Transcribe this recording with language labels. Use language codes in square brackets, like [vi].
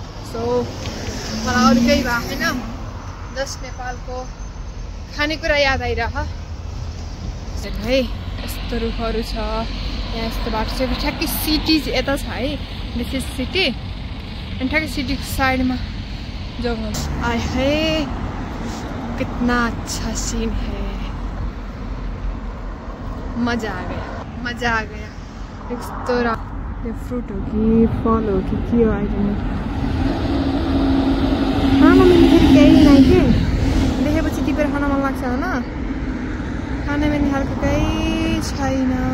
[ne] So मलाई अरू केही भएको होइन, जस्ट नेपालको खानेकुरा याद आइरह है। यस्तो रुखहरू छ यहाँ, यस्तो बाटो छ, ठ्याक्कै सिटी यता छ है, [en] this is city, [ne] अनि ठ्याक्कै सिटीको साइडमा जङ्गल। [hi] आय है कितना अच्छा सिन है, मजा आ गया। [ne] यस्तो यो फ्रुट हो कि फल हो कि के हो आइदिनु, केही नै के देखेपछि टिपेर खान मन लाग्छ होइन, खाने मेनी खालको केही छैन।